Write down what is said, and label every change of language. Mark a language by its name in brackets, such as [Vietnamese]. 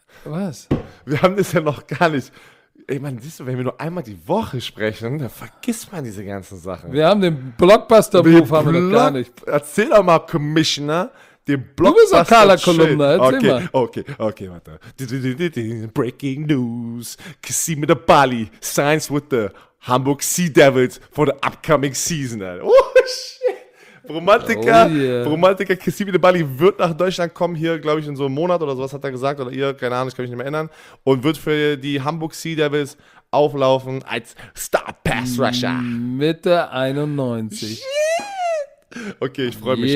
[German] Was? Wir haben das ja noch gar nicht... Ey, man, siehst du, wenn wir nur einmal die Woche sprechen, dann vergisst man diese ganzen Sachen. Wir haben den Blockbuster-Move, haben wir noch gar nicht. Erzähl doch mal, Commissioner, den Blockbuster. Du bist doch Carla Kolumna, erzähl okay, mal. Okay, warte. Breaking News. [English] Kasim in the Bali signs with the Hamburg Sea Devils for the upcoming season. Oh, shit. [German] Romantiker, Kasim in the Bali wird nach Deutschland kommen, hier, glaube ich, in so einem Monat oder sowas hat er gesagt, oder ihr, keine Ahnung, ich kann mich nicht mehr erinnern, und wird für die Hamburg Sea Devils auflaufen als Star Pass Rusher. Mitte 91. Yeah. Okay, ich freue mich.